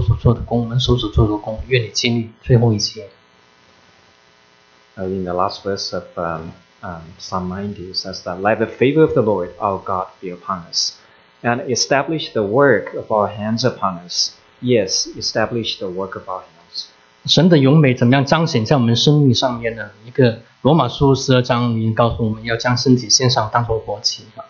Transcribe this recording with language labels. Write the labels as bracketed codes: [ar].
[zh] 好，我们再往下。第十七节告诉我们在两方面，我们怎么样荣耀神。愿主我们神的荣美归我们身上，愿你建立我们所做的功，我们所做的功，愿你建立最后一节。 [en] In the last verse of Psalm 90, it says that let the favor of the Lord our God be upon us, and establish the work of our hands upon us. Yes, establish the work of our hands. [zh] 神的荣美怎么样彰显在我们生命上面呢？一个罗马书12章，您告诉我们要将身体献上，当作活祭。